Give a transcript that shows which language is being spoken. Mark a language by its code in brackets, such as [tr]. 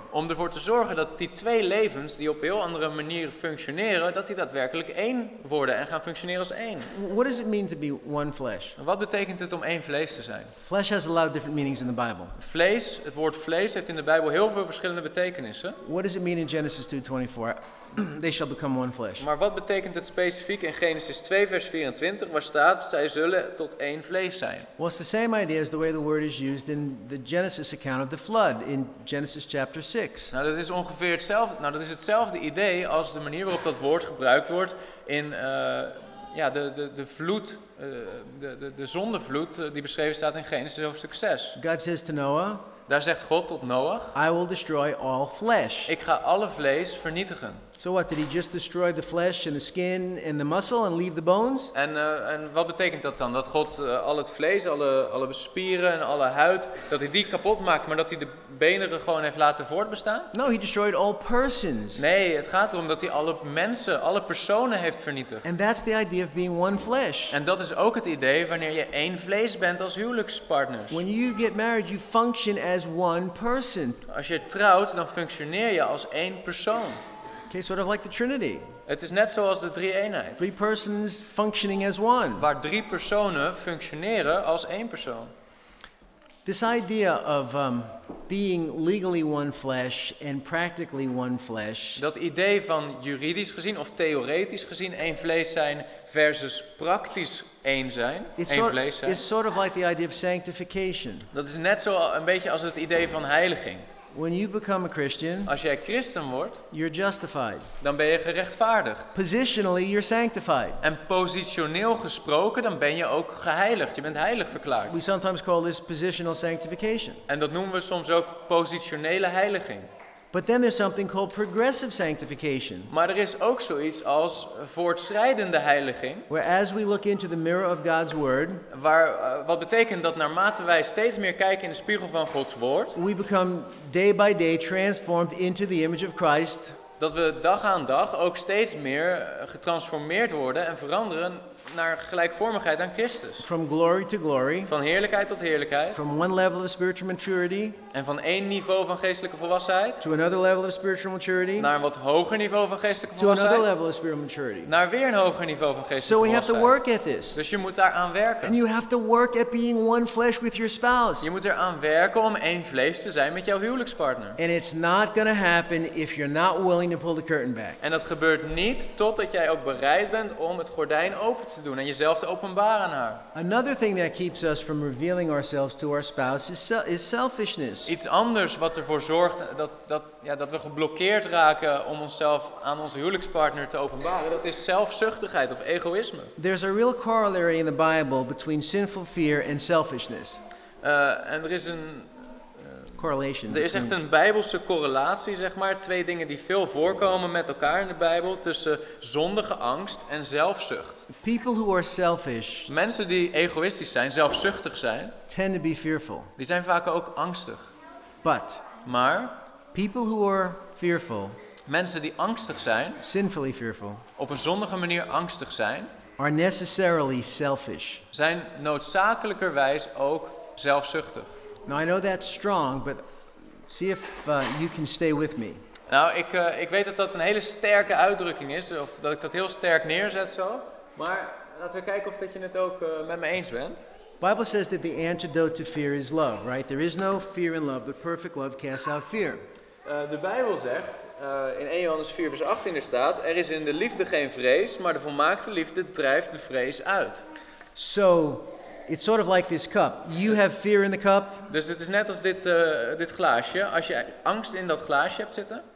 [nl] Om ervoor te zorgen dat die twee levens die op heel andere manieren functioneren, dat die daadwerkelijk één worden en gaan functioneren als één. [en] What does it mean to be one flesh? [nl] Wat betekent het om één vlees te zijn? [en] Flesh has a lot of different meanings in the Bible. [nl] Vlees, het woord vlees heeft in de Bijbel heel veel verschillende betekenissen. [en] What does it mean in Genesis 2:24? They shall become one flesh. [nl] Maar wat betekent het specifiek in Genesis 2 vers 24 waar staat zij zullen tot één vlees zijn? [en] Well, it's the same idea as the way the word is used in the Genesis account of the flood in Genesis chapter 6. [nl] Nou, dat is ongeveer hetzelfde. Nou, dat is hetzelfde idee als de manier waarop dat woord gebruikt wordt in de zondevloed die beschreven staat in Genesis hoofdstuk 6. [en] God says to Noah. [nl] Daar zegt God tot Noach. [en] I will destroy all flesh. [nl] Ik ga alle vlees vernietigen. [en] So what, did he just destroy the flesh and the skin and the muscle and leave the bones? [nl] En wat betekent dat dan? Dat God al het vlees, alle spieren en alle huid, dat hij die kapot maakt, maar dat hij de beneren gewoon heeft laten voortbestaan? [en] No, he destroyed all persons. [nl] Nee, het gaat erom dat hij alle mensen, alle personen heeft vernietigd. [en] And that's the idea of being one flesh. [nl] En dat is ook het idee wanneer je één vlees bent als huwelijkspartners. [en] When you get married, you function as one person. [nl] Als je trouwt, dan functioneer je als één persoon. [en] Okay, sort of like the Trinity. [nl] Het is net zoals de drie-eenheid. [en] Three persons functioning as one. [nl] Waar drie personen functioneren als één persoon. [en] This idea of being legally one flesh and practically one flesh. [nl] Dat idee van juridisch gezien of theoretisch gezien één vlees zijn versus praktisch één zijn, vlees zijn. [en] It's sort of like the idea of sanctification. [nl] Dat is net zo een beetje als het idee van heiliging. [en] When you become a Christian, [nl] als jij christen wordt, [en] you're justified. [nl] Dan ben je gerechtvaardigd. [en] Positionally, you're sanctified. [nl] En positioneel gesproken, dan ben je ook geheiligd. Je bent heilig verklaard. [en] We sometimes call this positional sanctification. [nl] En dat noemen we soms ook positionele heiliging. [en] But then there's something called progressive sanctification. [nl] Maar er is ook zoiets als voortschrijdende heiliging. [en] Where as we look into the mirror of God's word, [nl] wat betekent dat naarmate wij steeds meer kijken in de spiegel van Gods woord, [en] we become day by day transformed into the image of Christ. [nl] Dat we dag aan dag ook steeds meer getransformeerd worden en veranderen naar gelijkvormigheid aan Christus. [en] From glory to glory. [nl] Van heerlijkheid tot heerlijkheid. [en] From one level of spiritual maturity. [nl] En van één niveau van geestelijke volwassenheid. [en] To another level of spiritual maturity. [nl] Naar een wat hoger niveau van geestelijke [en] to [nl] volwassenheid. [en] To another level of spiritual maturity. [nl] Naar weer een hoger niveau van geestelijke [en] so we [nl] volwassenheid. [en] Have to work at this. [nl] Dus je moet daar aan werken. [en] And you have to work at being one flesh with your spouse. [nl] Je moet er aan werken om één vlees te zijn met jouw huwelijkspartner. [en] And it's not going to happen if you're not willing to pull the curtain back. [nl] En dat gebeurt niet totdat jij ook bereid bent om het gordijn open te doen en jezelf te openbaren aan haar. [en] Another thing that keeps us from revealing ourselves to our spouse is selfishness. [nl] Iets anders wat ervoor zorgt dat we geblokkeerd raken om onszelf aan onze huwelijkspartner te openbaren, dat is zelfzuchtigheid of egoïsme. [en] There's a real corollary in the Bible between sinful fear and selfishness. [nl] En er is een [en] correlation. [nl] Er is echt een Bijbelse correlatie, zeg maar, twee dingen die veel voorkomen met elkaar in de Bijbel, tussen zondige angst en zelfzucht. [en] People who are selfish, [nl] mensen die egoïstisch zijn, zelfzuchtig zijn, [en] tend to be fearful. [nl] Die zijn vaak ook angstig. [en] But, [nl] maar, [en] people who are fearful, [nl] mensen die angstig zijn, [en] sinfully fearful, [nl] op een zondige manier angstig zijn, [en] are necessarily selfish. [nl] Zijn noodzakelijkerwijs ook zelfzuchtig. [en] Now I know that's strong, but see if you can stay with me. [nl] Nou, ik weet dat dat een hele sterke uitdrukking is, of dat ik dat heel sterk neerzet zo. Maar laten we kijken of dat je het ook met me eens bent. [en] Bible says that the antidote to fear is love, right? There is no fear in love, but perfect love casts out fear. [nl] De Bijbel zegt, in 1 Johannes 4 vers 18 er staat, er is in de liefde geen vrees, maar de volmaakte liefde drijft de vrees uit. [en] So, it's sort of like this cup. You have fear in the cup. [nl] Dus het is net als dit glaasje. Als je angst in dat glaasje hebt zitten.